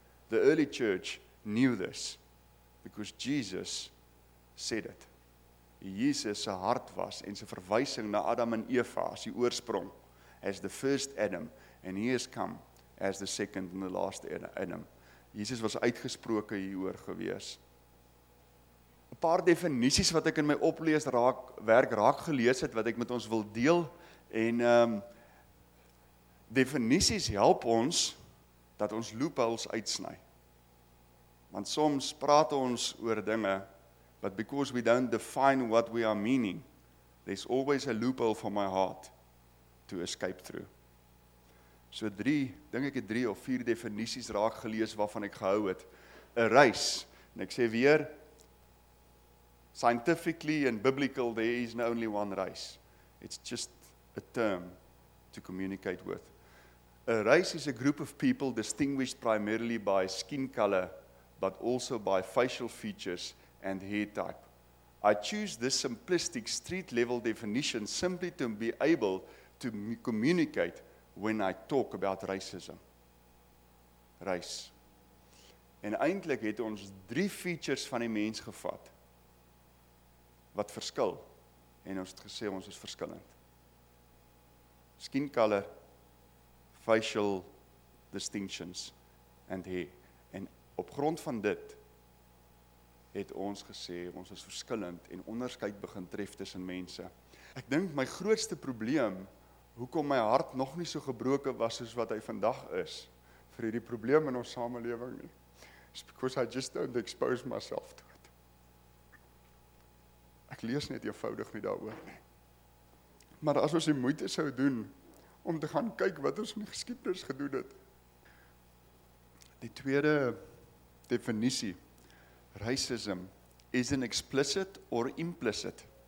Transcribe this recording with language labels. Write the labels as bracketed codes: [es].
[en] The early church knew this. Because Jesus said it. [af] Jesus se hart was en se verwysing na Adam en Eva as die oorsprong, [en] as the first Adam, and he has come as the second and the last Adam. [af] Jesus was uitgesproke hieroor gewees. 'N paar definisies wat ek in my oplees raak werk raak gelees het wat ek met ons wil deel en definisies help ons dat ons loopholes uitsny. Want soms praat ons oor dinge, [en] but because we don't define what we are meaning, there's always a loophole for my heart to escape through. [af] So drie, dink ek het 3 of 4 definisies raak gelees waarvan ek gehou het. 'N Reis, en ek sê weer, [en] scientifically and biblical, there is no only one reis. It's just a term to communicate with. 'N Reis is a group of people distinguished primarily by skin color, but also by facial features and hair type. I choose this simplistic street-level definition simply to be able to communicate when I talk about racism. Race. [af] En eintlik het ons 3 features van die mens gevat wat verskil en ons het gesê ons is verskillend. [en] Skin color, facial distinctions and hair. [af] Op grond van dit het ons gesê ons is verskillend en onderskeid begin tref tussen mense. Ek dink my grootste probleem hoekom my hart nog nie so gebroken was soos wat hy vandag is vir hierdie probleem in ons samelewing nie. [en] It's because I just don't expose myself to it. [af] Ek lees net eenvoudig nie daaroor nie. Maar as ons die moeite sou doen om te gaan kyk wat ons in die geskiedenis gedoen het. Die tweede definisie. [en] Racism is an explicit or implicit.